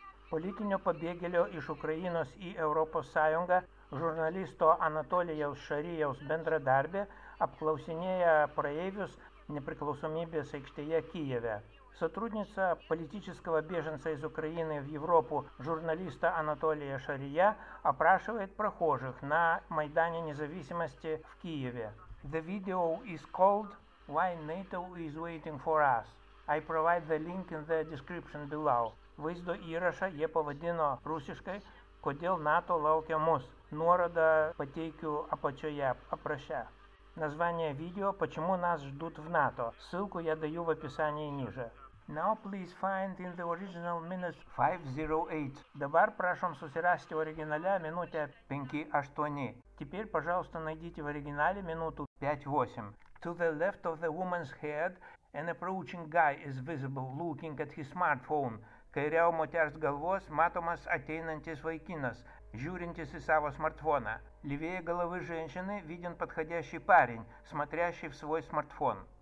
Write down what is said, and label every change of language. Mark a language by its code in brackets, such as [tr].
[lt] Politinio pabėgėlio iš Ukrainos į Europos Sąjungą žurnalisto Anatolijaus Šarijaus bendradarbė apklausinėja praeivius nepriklausomybės aikštėje Kyjeve. [ru] Сотрудница политического беженца из Украины в Европу журналиста Анатолия Шария опрашивает прохожих на Майдане независимости в Киеве. [en] The video is called Why NATO is waiting for us. I provide the link in the description below. [lt] Vaizdo įrašą jie pavadino rusiškai «Kodėl NATO laukia mus?». Nuorodą pateikiu apačioje apraše. [ru] Название видео «Почему нас ждут в НАТО?». Ссылку я даю в описании ниже. [en] Now please find in the original minute 508. [lt] Dabar prašom susirasti originale minutę 5:08. [ru] Теперь, пожалуйста, найдите в оригинале минуту 5:08. [en] To the left of the woman's head, an approaching guy is visible looking at his smartphone. [lt] Kairiau moters galvos matomas ateinantis vaikinas, žiūrintis į savo smartfoną. [ru] Левее головы женщины виден подходящий парень, смотрящий в свой смартфон.